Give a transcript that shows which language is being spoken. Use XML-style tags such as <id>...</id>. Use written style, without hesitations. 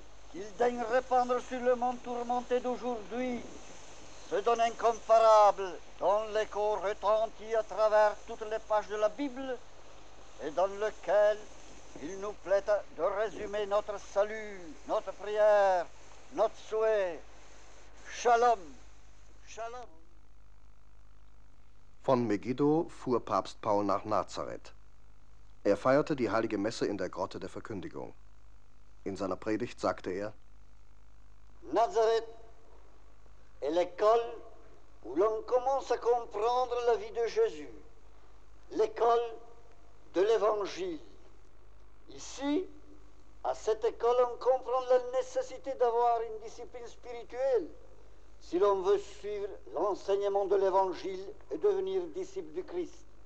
<fr>Qu'il daigne répandre sur le monde tourmenté d'aujourd'hui ce don incomparable dont l'écho retentit à travers toutes les pages de la Bible et dans lequel il nous plaît de résumer notre salut, notre prière, notre souhait.</fr> <he>Shalom. Shalom.</he> <de>Von Megiddo fuhr Papst Paul nach Nazareth. Er feierte die heilige Messe in der Grotte der Verkündigung. In seiner Predigt sagte er:</de> <fr>Nazareth est l'école où l'on commence à comprendre la vie de Jésus, l'école de l'Évangile. Ici, à cette école, on comprend la nécessité d'avoir une discipline spirituelle si l'on veut suivre l'enseignement de l'Évangile et devenir disciple du Christ.</fr>